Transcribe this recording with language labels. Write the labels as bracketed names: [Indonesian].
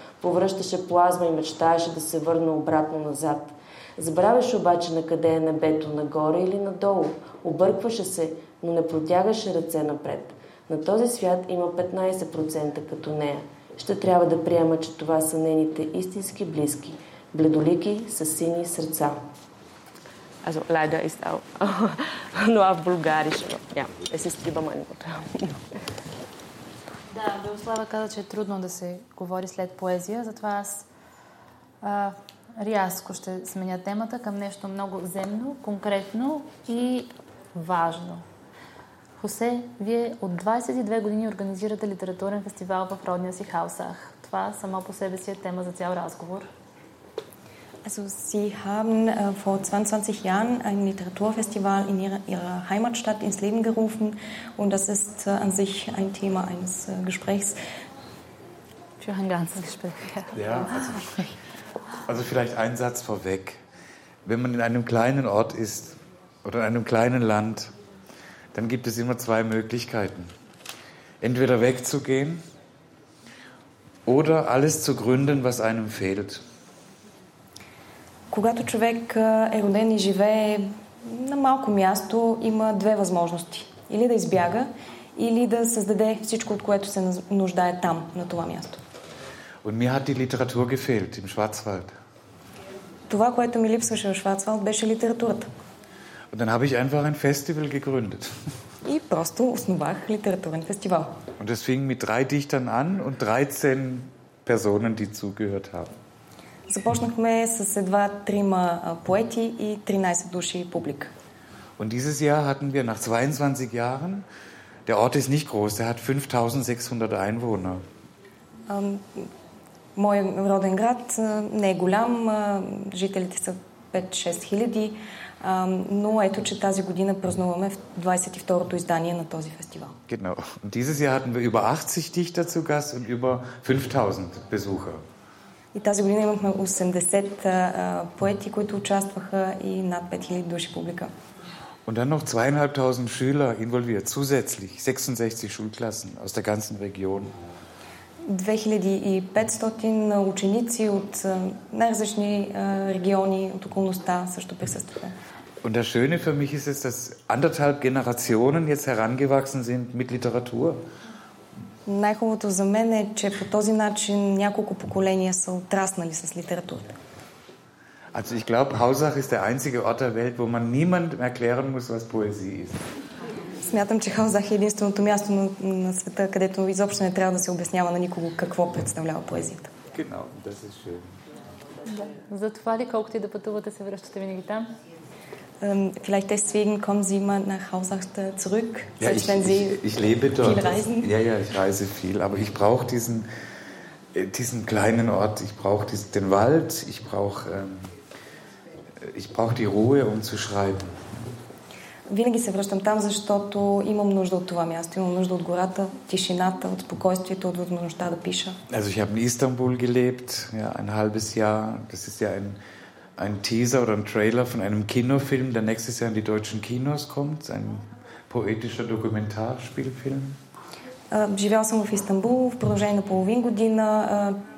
[Bulgarian] Повръщаше плазма и мечтаеше да се върне обратно назад. Забравяше обаче на къде е небето, нагоре или надолу. Объркваше се, но не протягаше ръце напред. На този свят има 15% като нея. Ще трябва да приема, че това са нейните истински близки. бледолики с сини сърца. [German] Also leider ist auch nur auf Bulgarisch. Ja, es ist lieber mein Wort. [Bulgarian] Да, Белослава каза, че е трудно да се говори след поезия, затова аз рязко ще сменя темата към нещо много земно, конкретно и важно. Хосе, вие от 22 години организирате литературен фестивал в родния си Хаусах. Това само по себе си е тема за цял разговор. [German] Also Sie haben vor 22 Jahren ein Literaturfestival in Ihrer Heimatstadt ins Leben gerufen und das ist an sich ein Thema eines Gesprächs. Für ein ganzes Gespräch. Ja, also vielleicht ein Satz vorweg. Wenn man in einem kleinen Ort ist oder in einem kleinen Land, dann gibt es immer zwei Möglichkeiten. Entweder wegzugehen oder alles zu gründen, was einem fehlt. [Bulgarian] Когато човек е роден и живее на малко място, има две възможности. Или да избяга, или да създаде всичко, от което се нуждае там, на това място. [German] Und mir hat die Literatur gefehlt im Schwarzwald. [Bulgarian] Това, което ми липсваше в Schwarzwald, беше литературата. [German] Und dann habe ich einfach ein Festival gegründet. [Bulgarian] И просто основах литературен фестивал. [German] Und es fing mit 3 Dichtern an und 13 Personen, die zugehört haben. [Bulgarian] Започнахме с едва трима поети и 13 души публика. [German] Und dieses Jahr hatten wir nach 22 Jahren, der Ort ist nicht groß, der hat 5600 Einwohner. [Bulgarian] Мой роден град не е голям, жителите са 5-6 хиляди, но ето, че тази година празнуваме 22-то издание на този фестивал. [German] Genau. Und dieses Jahr hatten wir über 80 Dichter zu Gast und über 5000 Besucher. [Bulgarian] И тази година имахме 80 поети, които участваха и над 5000 души публика. [German] Und dann noch 2500 Schüler involviert zusätzlich, 66 Schulklassen aus der ganzen Region. [Bulgarian] 2500 ученици от най-различни региони от околността също присъстваха. [German] Und das Schöne für mich ist es, dass anderthalb Generationen jetzt herangewachsen sind mit Literatur. [Bulgarian] Най-хубавото за мен е, че по този начин няколко поколения са отраснали с литературата. [German] Also ich glaube, Hausach ist der einzige Ort der Welt, wo man niemandem erklären muss, was Poesie ist. [Bulgarian] Смятам, че Хаузах е единственото място на света, където изобщо не трябва да се обяснява на никого какво представлява поезията. [German] Genau, das ist schön. [Bulgarian] Да. Затова ли колкото и да пътувате, се връщате винаги там? [German] Vielleicht deswegen kommen Sie immer nach Hausach zurück, ja, selbst wenn Sie ich lebe dort. Viel reisen. Ja, ja, ich reise viel, aber ich brauche diesen kleinen Ort, ich brauche den Wald, ich brauche die Ruhe, um zu schreiben. [Bulgarian] Винаги се връщам там, защото имам нужда от това място, имам нужда от гората, тишината, от спокойствието, от възможността да пиша. [German] Also ich habe in Istanbul gelebt, ja, ein halbes Jahr, das ist ja ein Teaser oder ein Trailer von einem Kinofilm, der nächstes Jahr in die deutschen Kinos kommt, ein poetischer Dokumentarspielfilm. [Bulgarian] Живял съм в Истанбул в продължение на половин година.